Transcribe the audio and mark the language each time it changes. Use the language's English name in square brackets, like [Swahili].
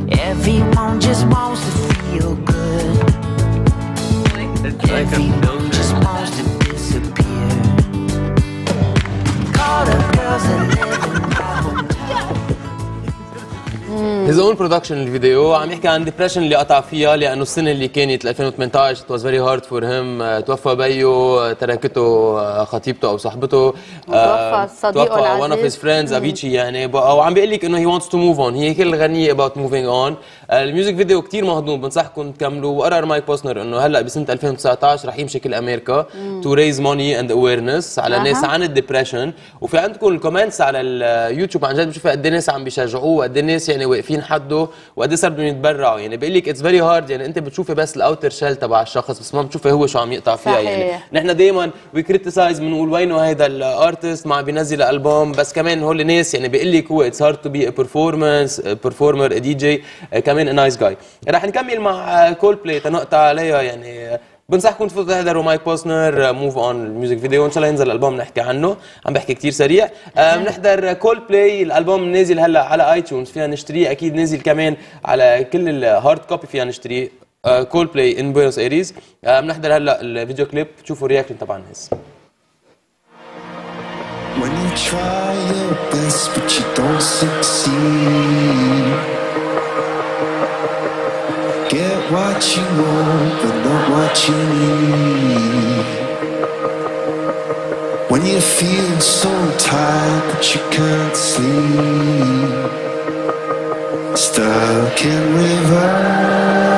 [English] Everyone just wants to feel good. Everyone just wants to disappear. Call the girls and His own production video. [Arabic] عم يحكي عن depression اللي قطع فيها، لأنه السنة اللي كانت 2018 [English] it was very hard for him. [Arabic] توفى بيو، تركته خطيبته أو صاحبته، توفى صديقه [English] one of his friends Avicii [Arabic] يعني. وعم بيقول لك إنه [English] he wants to move on. [Arabic] هي كل الغنية [English] about moving on. [Arabic] الميوزك فيديو كتير مهضوم، بنصحكم تكملوا. وقرر مايك بوسنر إنه هلأ بسنة 2019 رح يمشي كل أمريكا [English] to raise money and awareness [Arabic] على الناس عن depression. وفي عندكم الكومنتس على اليوتيوب، عن جد بشوف قد الناس عم بيشجعوه، قد الناس يعني واقفين حده، وقد ايه صار بدهم يتبرعوا. يعني بيقول لك [English] it's very hard, [Arabic] يعني انت بتشوفي بس [English] الاوتر شيل [Arabic] تبع الشخص، بس ما بتشوفي هو شو عم يقطع فيها. صحيح. يعني نحن دائما [English] we criticize, [Arabic] بنقول وينه هيدا الارتست ما عم بينزل البوم، بس كمان هول الناس يعني بيقول لك هو [English] it's hard to be performance performer D J, [Arabic] كمان [English] Nice guy. [Arabic] رح نكمل مع كول بلاي تنقطع عليها، يعني بنصحكم تفوتوا تحضروا مايك بوسنر موف اون الميوزك فيديو، ان شاء الله ينزل الالبوم نحكي عنه، عم بحكي كثير سريع. بنحضر كولد بلاي الالبوم نازل هلا على اي تيونز فينا نشتريه، اكيد نازل كمان على كل الهارد كوبي فينا نشتريه. كولد بلاي ان بوينس ايريز. بنحضر هلا الفيديو كليب، شوفوا رياكشن تبع الناس. [English] When you try your best but you don't succeed, get what you want but not what you need. When you feel so tired but you can't sleep, stuck in reverse.